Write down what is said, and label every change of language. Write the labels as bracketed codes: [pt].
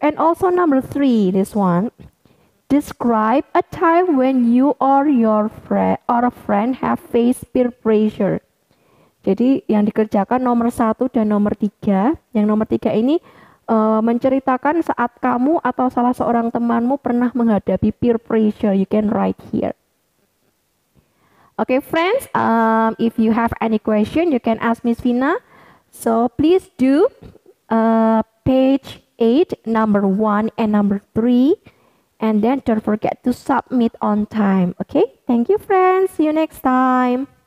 [en] And also number 3, this one, describe a time when you or your friend or a friend have faced peer pressure. [id] Jadi yang dikerjakan nomor 1 dan nomor 3, yang nomor 3 ini menceritakan saat kamu atau salah seorang temanmu pernah menghadapi peer pressure. [en] You can write here. Okay, friends, if you have any question, you can ask Miss Vina. So please do page 8, number 1 and number 3, and then don't forget to submit on time. Okay, thank you, friends. See you next time.